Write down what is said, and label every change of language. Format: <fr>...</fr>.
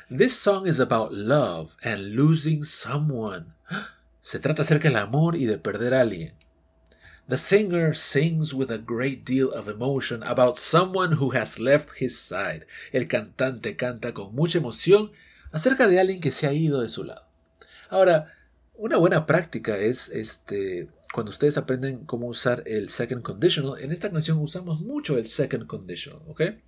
<en>This song is about love and losing someone.</en> <es>Se trata acerca del amor y de perder a alguien.</es> <en>The singer sings with a great deal of emotion about someone who has left his side.</en> <es>El cantante canta con mucha emoción acerca de alguien que se ha ido de su lado. Ahora, una buena práctica es cuando ustedes aprenden cómo usar el second conditional. En esta canción usamos mucho el second conditional, ¿ok?</es>